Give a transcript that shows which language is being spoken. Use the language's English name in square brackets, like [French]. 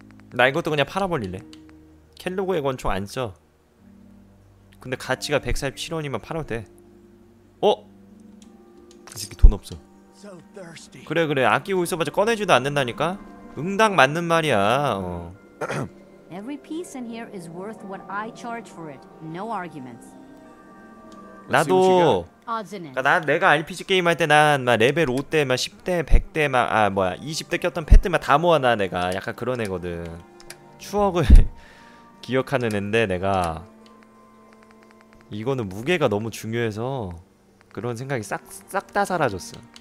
[Korean] 나 이것도 그냥 팔아버릴래. 켈로그의 권총 안 써. 근데 가치가 147원이면 팔아도 돼. 어? 이 새끼 돈 없어. 그래 그래, 아끼고 있어봤자 꺼내지도 않는다니까? 응당 맞는 말이야. 어. [English] Every piece in here is worth what I charge for it. No arguments. [Korean] 나도 나 내가 RPG 게임 할 때 난 막 레벨 5대 막 10대 100대 막 아 뭐야 20대 꼈던 패트 막 다 모아놔. 내가 약간 그런 애거든. 추억을 기억하는 애인데 내가 이거는 무게가 너무 중요해서 그런 생각이 싹 다 사라졌어.